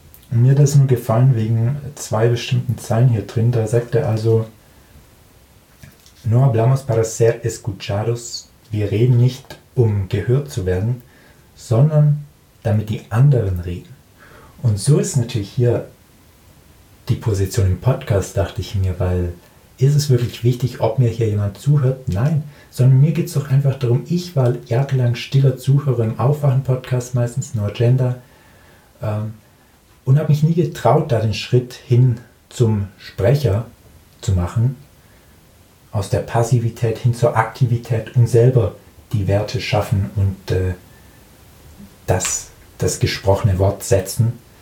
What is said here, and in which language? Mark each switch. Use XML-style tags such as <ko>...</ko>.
<de>Und mir hat das nur gefallen wegen zwei bestimmten Zeilen hier drin. Da sagt er also,</de> <es>no hablamos para ser escuchados.</es> <de>Wir reden nicht, um gehört zu werden, sondern damit die anderen reden. Und so ist natürlich hier die Position im Podcast, dachte ich mir, weil ist es wirklich wichtig, ob mir hier jemand zuhört? Nein, sondern mir geht es doch einfach darum, ich war jahrelang stiller Zuhörer im Aufwachen-Podcast, meistens No Agenda, und habe mich nie getraut, da den Schritt hin zum Sprecher zu machen, aus der Passivität hin zur Aktivität und selber die Werte schaffen und das gesprochene Wort setzen.</de>